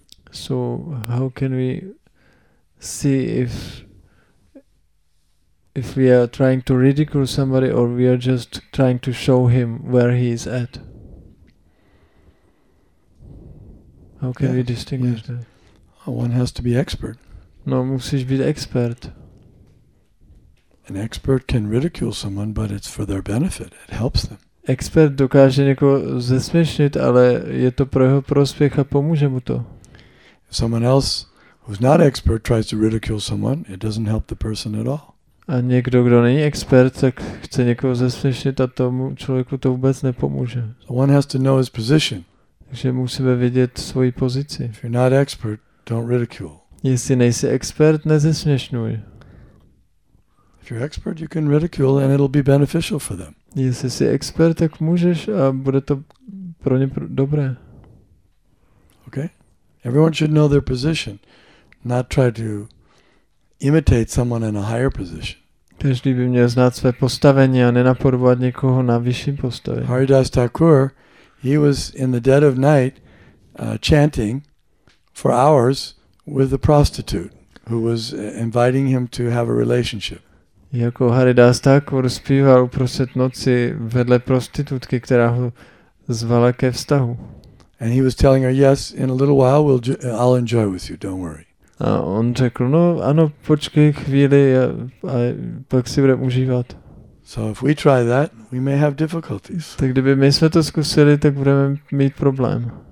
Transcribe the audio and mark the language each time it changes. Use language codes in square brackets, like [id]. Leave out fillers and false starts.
[en] So how can we see if we are trying to ridicule somebody or we are just trying to show him where he is at? How can we distinguish that? One has to be expert. [cs] No, musíš být expert. [en] An expert can ridicule someone, but it's for their benefit. It helps them. [cs] Expert dokáže někoho zesměšnit, ale je to pro jeho prospěch a pomůže mu to. [en] If someone else who's not expert tries to ridicule someone, it doesn't help the person at all. [cs] A někdo, kdo není expert, tak chce někoho zesměšnit a tomu člověku to vůbec nepomůže. [en] So one has to know his position. [cs] Takže musíme vědět svoji pozici. [en] If you're not expert, don't ridicule. [cs] Jestli nejsi expert, nezesměšňuj. [en] If you're expert, you can ridicule and it'll be beneficial for them. [cs] Jestli jsi expert, tak můžeš a bude to pro ně dobré. [en] Okay? Everyone should know their position, not try to imitate someone in a higher position. [cs] Každý by měl znát své postavení a nenapodobovat někoho na vyšším postavení. [en] Haridas Thakur, he was in the dead of night chanting for hours with a prostitute who was inviting him to have a relationship. [cs] Jako Haridas Thakur zpíval uprostřed noci vedle prostitutky, která ho zvala ke vztahu. [en] And he was telling her, yes, in a little while I'll enjoy with you, don't worry. [cs] A on řekl, no ano, počkej chvíli a pak si budeme užívat. [en] So if we try that, we may have difficulties. [cs] Tak kdyby my jsme to zkusili, tak budeme mít problém.